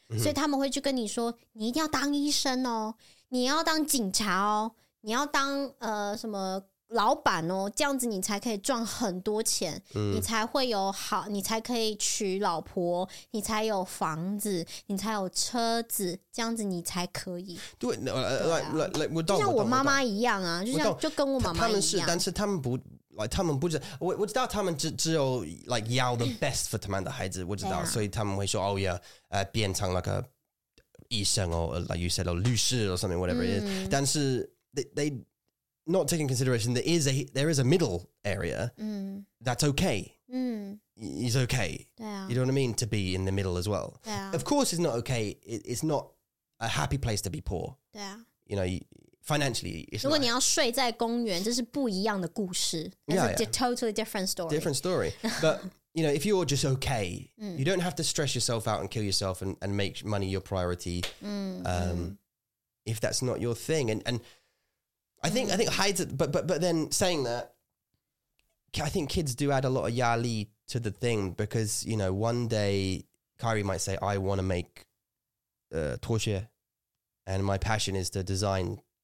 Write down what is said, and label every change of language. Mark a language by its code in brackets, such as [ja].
[zh] 所以他们会去跟你说你一定要当医生哦你要当警察哦你要当什么老板哦这样子你才可以赚很多钱你才会有好你才可以娶老婆你才有房子你才有车子这样子你才可以对就像我妈妈一样啊就像就跟我妈妈一样他们是但是他们不 [en] Like, [zh] 他们不知道 我知道他们 只有 [en] like, [zh] 要 [en] the best for [zh] 他们的孩子我知道、所以他们会说 [en] Oh yeah、 [zh] 变成 [en] like a [zh] 医生 [en] or like you said or [zh] 律师 [en] or something whatever it is [zh] 但是 [en] they not taking consideration there is a middle area、that's okay、it's okay、you know what I mean to be in the middle as well、of course it's not okay it's not a happy place to be poor、you know Financially, it's [zh] 如果你要睡在公园，这是不一样的故事。 [en] It's a totally different story. Different story. But, you know, if you're just okay, you don't have to stress yourself out and kill yourself and make money your priority if that's not your thing. And I think hides it, but then saying that, I think kids do add a lot of 压力 to the thing because, you know, one day, Kyrie might say, I want to make 拖鞋 and my passion is to design...